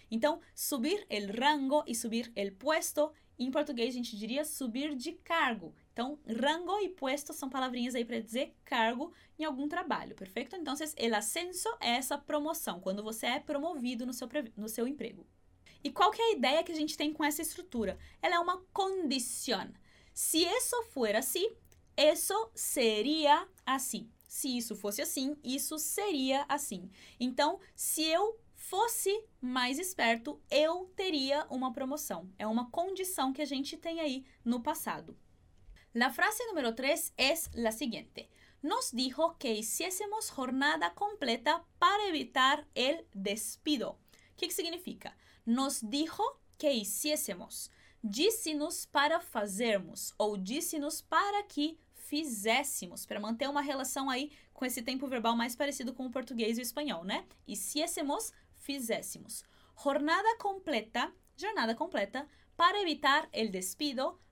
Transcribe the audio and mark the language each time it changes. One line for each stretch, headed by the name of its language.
Portuguese: Então,
Spanish: subir el rango e subir el puesto,
Portuguese: em português a gente diria subir de cargo. Então, rango e puesto são palavrinhas aí para dizer cargo em algum trabalho, perfeito? Então, el ascenso é essa promoção, quando você é promovido no seu emprego. E qual que é a ideia que a gente tem com essa estrutura? Ela é uma condición.
Spanish: Si eso fuera así, eso sería así.
Portuguese: Se isso fosse assim, isso seria assim. Então, se eu fosse mais esperto, eu teria uma promoção. É uma condição que a gente tem aí no passado.
Spanish: La frase número 3 es la siguiente. Nos dijo que hiciésemos jornada completa para evitar el despido. ¿Qué significa? Nos dijo que hiciésemos.
Portuguese: Disse-nos para fazermos ou disse-nos para que fizéssemos, para manter uma relação aí com esse tempo verbal mais parecido com o português e o espanhol, né?
Spanish: Hiciésemos, fizéssemos. Jornada completa para evitar el despido.